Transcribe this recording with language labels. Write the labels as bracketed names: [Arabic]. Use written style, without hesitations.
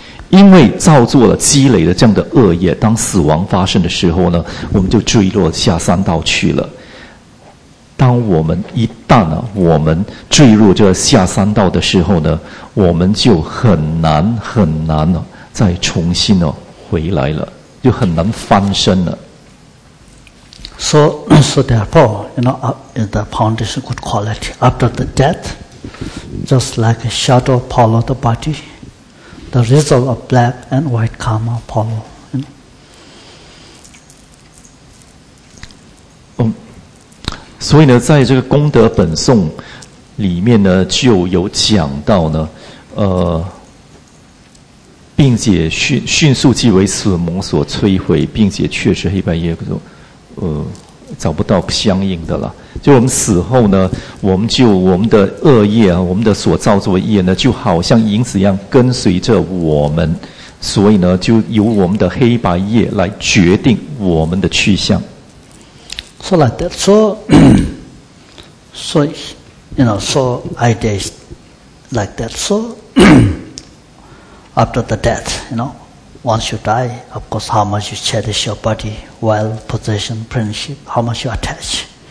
[Chinese] 因为造作了、积累了这样的恶业，当死亡发生的时候呢，我们就坠落下三道去了。当我们一旦啊，我们坠入这下三道的时候呢，我们就很难很难呢、再重新呢、回来了，就很难翻身了。 [English] So therefore, you know, the foundation good quality. After the death, just like a shadow follow the body, the result of black and white karma follow. You know? [Chinese] 所以呢，在这个功德本颂里面呢，就有讲到呢，并且迅速即为死蒙所摧毁，并且确实黑白夜所。找不到相应的了。就我们死后呢，我们的恶业啊，我们的所造作业呢，就好像影子一样跟随着我们，所以呢，就由我们的黑白业来决定我们的去向。 [English] So like that. So, you know, so idea is like that. So after the death, you know, once you die, of course, how much you cherish your body, wealth, possession, friendship, how much you attach.